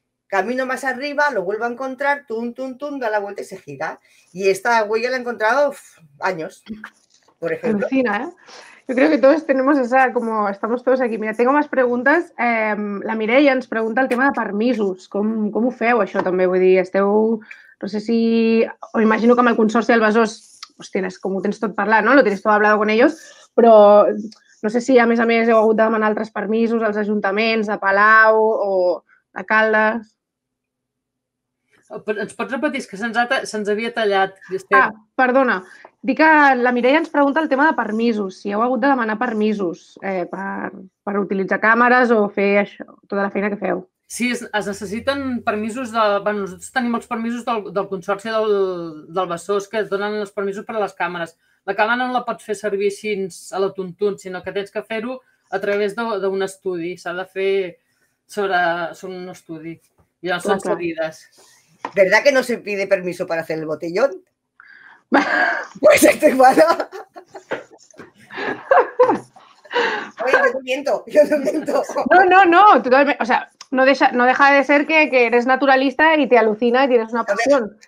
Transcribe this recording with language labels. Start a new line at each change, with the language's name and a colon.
Spanish: Camino más arriba, lo vuelvo a encontrar, tum, tum, tum, da la vuelta y se gira. Y esta huella la he encontrado años, por ejemplo. Alucina, ¿eh? Yo creo que todos tenemos esa, como estamos todos aquí. Mira, tengo más preguntes.
Catalan: La Mireia ens pregunta el tema de permisos. Com ho feu, això, també? Vull dir, esteu... No sé si... O imagino que amb el Consorci del Besòs, pues, tienes, com ho tens tot parlat, no?
Spanish: Lo tienes todo hablado con ellos,
Catalan: però no sé si, a més, heu hagut de demanar altres permisos als ajuntaments de Palau o de Caldes. Ens pots repetir? És que se'ns havia tallat. Ah, perdona. Dic que la Mireia ens pregunta el tema de permisos, si heu hagut de demanar permisos per utilitzar càmeres o fer això, tota la feina que feu. Sí, es necessiten permisos de... Bé, nosaltres tenim els permisos del Consorci del Besòs, que es donen els permisos per a les càmeres. La càmera no la pots fer servir així a la tuntun, sinó que tens que fer-ho a través d'un estudi. S'ha de fer sobre un estudi. I ja són cedides.
Spanish: ¿Verdad que no se pide permiso para hacer el botellón? Pues esto es malo. Oye, yo te miento. No, totalmente. O sea, no deja de ser que eres naturalista y te alucina y tienes una pasión.